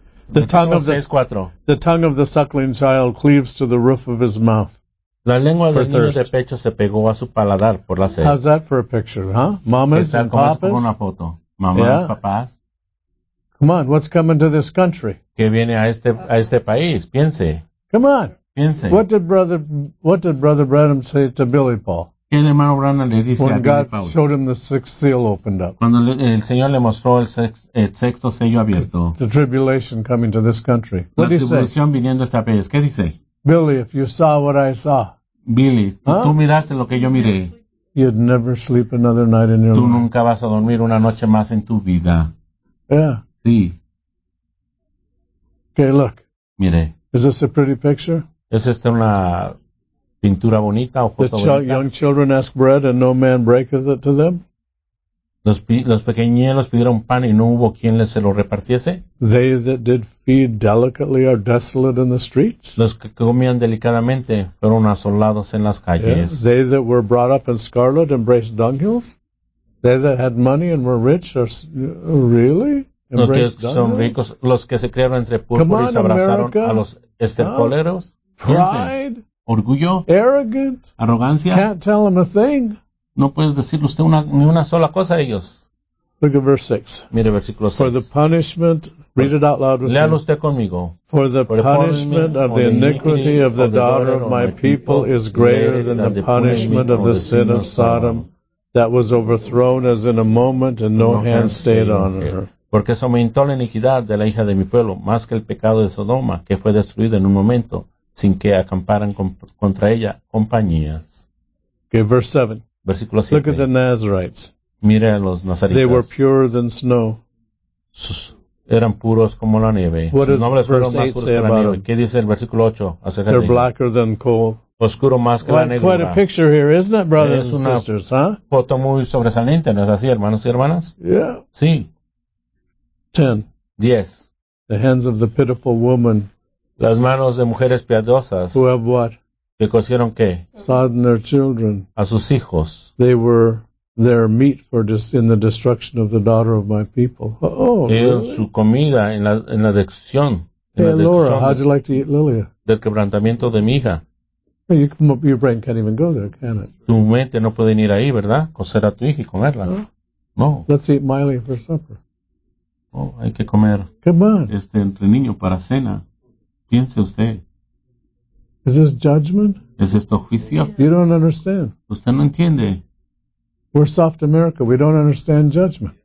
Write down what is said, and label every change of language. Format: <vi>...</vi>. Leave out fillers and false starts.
<en>The tongue of the suckling child cleaves to the roof of his mouth.</en> <es>La lengua del niño de pecho se pegó a su paladar por la sed.</es> <en>How's that for a picture, huh? Mamas and papas?</en> <es>Una foto. Mamas, yeah. Papás.</es> <en>Come on, what's coming to this country?</en> <es>¿Qué viene a este país? Piense.</es> <en>Come on.</en> <es>Piense.</es> <en>What did Brother Branham say to Billy Paul?</en> <es>¿Qué el hermano Branham le dice</es> <en>when</en> <es>a Billy</es> <en>God Paul? Showed him the sixth seal opened up.</en> <es>Cuando el Señor le mostró el sexto sello abierto.</es> <en>The tribulation coming to this country. What did he say?</en> <es>La tribulación viniendo a este país. ¿Qué dice?</es> <en>Billy, if you saw what I saw.</en> <es>Billy, tú miraste lo que yo miré.</es> <en>You'd never sleep another night in your</en> <es>life. Tú nunca vas a dormir una noche más en tu vida.</es> <en>Yeah.</en> <es>Sí.</es> <en>Okay, look.</en> <es>Mire.</es> <en>Is this a pretty picture?</en> <es>¿Es esta una pintura bonita o foto bonita?</es> <en>The young children ask bread and no man breaketh it to them.</en> <es>Los pequeñuelos pidieron pan y no hubo quien les se lo repartiese.</es> <en>They that did feed delicately are desolate in the streets.</en> <es>Los que comían delicadamente fueron asolados en las calles.</es> <en>Yeah. They that were brought up in scarlet embraced dunghills. They that had money and were rich are really embraced</en> <es>Los que son ricos, los que se criaron entre púrpura y se abrazaron a los estercoleros.</es> <en>Pride.</en> <es>Orgullo.</es> <en>Arrogant.</en> <es>Arrogancia.</es> <en>Can't tell them a thing.</en> <es>No puedes decirle usted ni una sola cosa a ellos.</es> <en>Look at verse 6.</en> <es>Mire versículo 6.</es> <en>For the punishment, read it out loud with me.</en> <es>Léalo usted conmigo.</es> <en>For the punishment of the iniquity of the daughter of my people is greater than the punishment of the sin of Sodom that was overthrown as in a moment and no hand stayed on her.</en> <es>Porque se aumentó la iniquidad de la hija de mi pueblo más que el pecado de Sodoma que fue destruido en un momento sin que acamparan contra ella compañías.</es> <en>Okay, verse 7.</en> <es>Versículo 7.</es> <en>Look at the Nazarites.</en> <es>Mire a los Nazaritas.</es> <en>They were purer than snow.</en> <es>Eran puros como la nieve.</es> <en>What does verse 8 say about them?</en> <es>¿Qué dice el versículo 8 acerca de?</es> <en>They're blacker than coal.</en> <es>Oscuro más que la negrura.</es> <en>Quite a picture here, isn't it, brothers and sisters, huh?</en> <es>Foto muy sobresaliente, ¿no es así, hermanos y hermanas?</es> <en>Yeah.</en> <es>Sí.</es> <en>10.</en> <es>10.</es> <en>The hands of the pitiful woman.</en> <es>Las manos de mujeres piadosas.</es> <en>Who have what?</en> <es>¿Le cosieron qué?</es> <en>Sodden their children.</en> <es>A sus hijos.</es> <en>They were their meat for in the destruction of the daughter of my people. Oh,</en> <es>ellos, really? Su comida en la destrucción.</es> <en>Hey, Laura, how'd you like to eat Lilia?</en> <es>Del quebrantamiento de mi hija.</es> <en>Well, your brain can't even go there, can it?</en> <es>Tu mente no puede ir ahí, ¿verdad? Coser a tu hija y comerla.</es> <en>No. Let's eat Miley for supper.</en> <es>Oh, hay que comer.</es> <en>Come on.</en> <es>Entre niño para cena. Piense usted.</es> <en>Is this judgment?</en> <es>¿Es esto juicio?</es> <en>You don't understand.</en> <es>Usted no entiende.</es> <en>We're soft America. We don't understand judgment.</en>